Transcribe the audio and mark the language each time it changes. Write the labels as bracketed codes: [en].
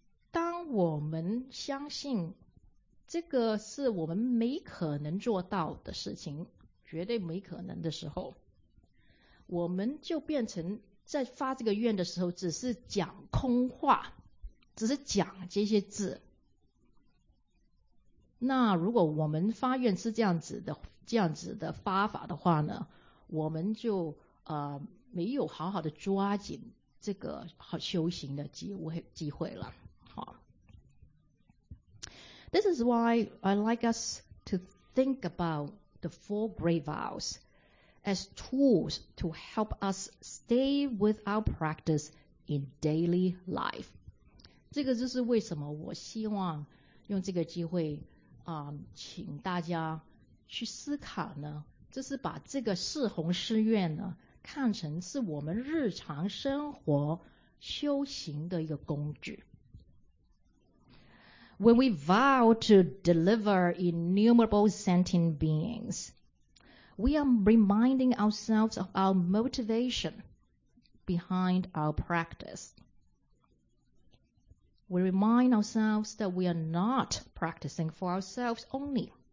[zh] 当我们相信这个是我们没可能做到的事情，绝对没可能的时候，我们就变成在发这个愿的时候只是讲空话，只是讲这些字。那如果我们发愿是这样子的发法的话呢，我们就没有好好的抓紧这个好修行的机会了。 [en] This is why I like us to think about the four great vows as tools to help us stay with our practice in daily life. [zh] 这个就是为什么我希望用这个机会请大家去思考呢，就是把这个誓弘誓愿呢看成是我们日常生活修行的一个工具。 [en] When we vow to deliver innumerable sentient beings, we are reminding ourselves of our motivation behind our practice. We remind ourselves that we are not practicing for ourselves only.